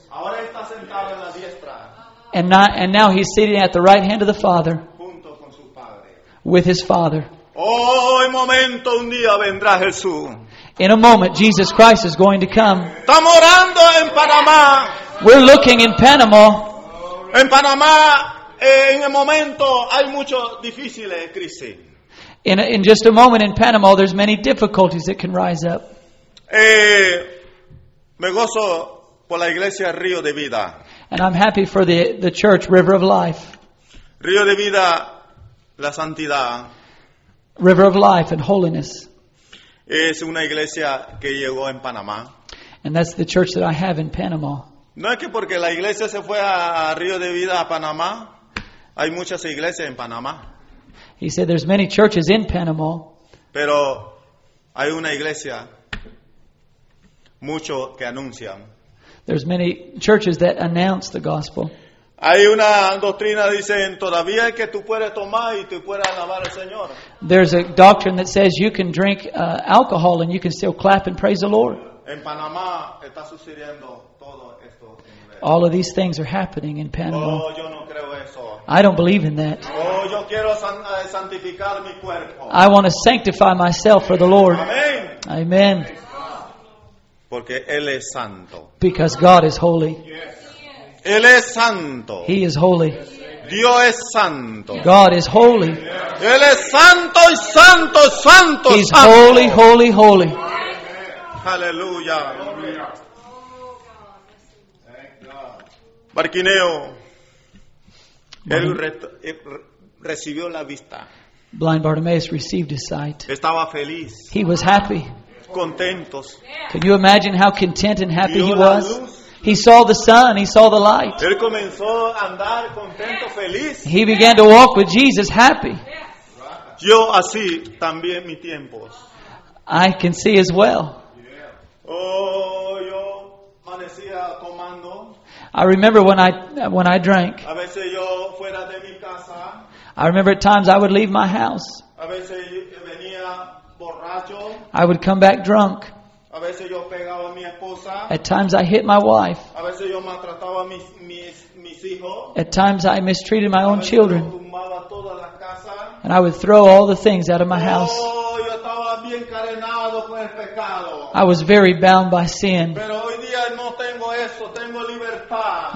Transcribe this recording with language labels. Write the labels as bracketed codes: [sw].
[es] Ahora está sentado en la diestra. [en] And now he's sitting at the right hand of the Father. [es] Junto con su padre. [en] With his Father. [es] Oh, un momento, un día vendrá Jesús. [en] In a moment, Jesus Christ is going to come. [es] Estamos orando en Panamá. [en] We're looking in Panama. [es] En Panamá, en el momento, hay mucho difícil crisis. [en] In just a moment in Panama, there's many difficulties that can rise up. [es] Me gozo por la iglesia Río de Vida. [en] And I'm happy for the church River of Life. [es] Río de Vida, la santidad. [en] River of Life and holiness. [es] Es una iglesia que llegó en Panamá. [en] And that's the church that I have in Panama. [es] No es que porque la iglesia se fue a Río de Vida a Panamá, hay muchas iglesias en Panamá. [en] He said there's many churches in Panama. [es] Pero hay una iglesia. Mucho que anuncian. [en] There's many churches that announce the gospel. [es] Hay una doctrina dicen todavía que tú puedes tomar y tú puedes alabar al Señor. [en] There's a doctrine that says you can drink alcohol and you can still clap and praise the Lord. [es] En Panamá está sucediendo todo esto. [en] All of these things are happening in Panama. [es] Oh, yo no creo eso. [en] I don't believe in that. [es] Oh, yo quiero santificar mi cuerpo. [en] I want to sanctify myself for the Lord. [es] Amen. [en] Amen. [es] Porque él es santo. [en] Because God is holy. [es] Yes. Él es santo. [en] He is holy. [es] Dios es santo. [en] God is holy. Yes. [es] Él es santo y santo, santo. [en] He's [es] santo. [en] Holy, holy, holy. [es] Aleluya. Bartimeo, él recibió la vista. [en] Blind Bartimaeus received his sight. [es] Estaba feliz. [en] He was happy. [es] Contentos. [en] Can you imagine how content and happy he was? He saw the sun, he saw the light. [es] Él comenzó a andar contento, feliz. [en] He began to walk with Jesus happy. [es] Yo así también mis tiempos. [en] I can see as well. [es] Oh, yo amanecía tomando. [en] I remember when I drank. [es] A veces yo fuera de mi casa. [en] I remember at times I would leave my house. [es] A veces venía. [en] I would come back drunk. [es] A veces yo pegaba a mi esposa. [en] At times I hit my wife. [es] A veces yo maltrataba mis hijos. [en] At times I mistreated my a own children. [es] Yo tumbaba toda la casa. [en] And I would throw all the things out of my house. [es] Yo estaba bien encadenado con el pecado. [en] I was very bound by sin. [es] Pero hoy día no tengo eso, tengo libertad.